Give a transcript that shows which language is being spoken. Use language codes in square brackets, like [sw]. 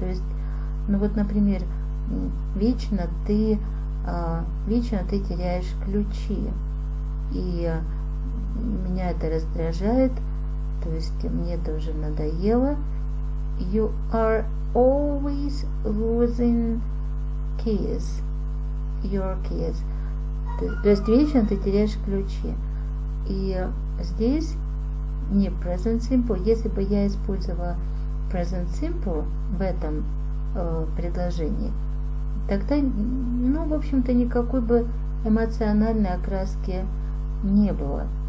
[ru] То есть, ну вот, например, вечно ты теряешь ключи, и меня это раздражает, то есть мне это уже надоело. [en] You are always losing keys, your keys. [ru] То есть вечно ты теряешь ключи. И здесь не present simple. Если бы я использовала present simple в этом предложении, тогда, ну, в общем-то, никакой бы эмоциональной окраски не было.